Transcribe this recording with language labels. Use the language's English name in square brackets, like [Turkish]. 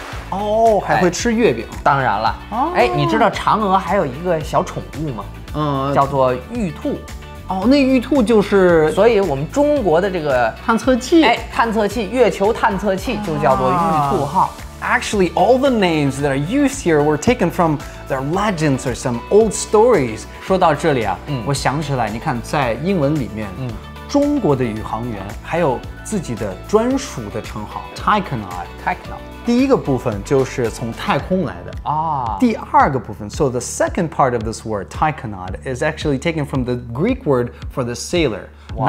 [Chinese] 哦，还会吃月饼、哎、当然了。哎，你知道嫦娥还有一个小宠物吗？叫做玉兔。哦，那玉兔就是，所以我们中国的这个探测器，哎，探测器，月球探测器就叫做玉兔号。 [English] Actually, all the names that are used here were taken from their legends or some old stories. [Chinese] 说到这里啊，我想起来，你看，在英文里面，中国的宇航员还有自己的专属的称号 [English] Taikonaut [Chinese] 第一个部分就是从太空来的、第二个部分 [English] So the second part of this word Taikonaut is actually taken from the Greek word for the sailor、wow.